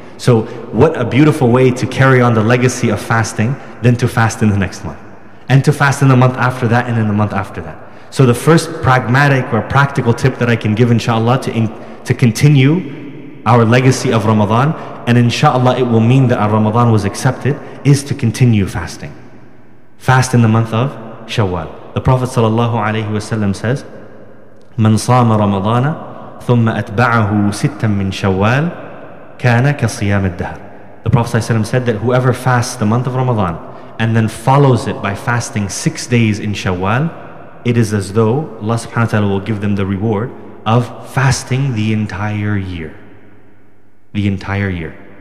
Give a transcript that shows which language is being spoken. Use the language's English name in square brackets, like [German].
[English] So what a beautiful way to carry on the legacy of fasting than to fast in the next month, and to fast in the month after that, and in the month after that. So the first pragmatic or practical tip that I can give, inshallah, to continue our legacy of Ramadan, and inshallah it will mean that our Ramadan was accepted, is to continue fasting. Fast in the month of Shawwal. The Prophet sallallahu alayhi wa sallam says, [Arabic] مَنْ صَامَ رَمَضَانَ ثُمَّ أَتْبَعَهُ سِتًّا مِّنْ شَوَّال كَانَ كَصِيَامِ الدَّهَرِ. [English] The Prophet sallallahu alayhi wa sallam said that whoever fasts the month of Ramadan and then follows it by fasting 6 days in Shawwal, it is as though Allah subhanahu wa ta'ala will give them the reward of fasting the entire year. The entire year.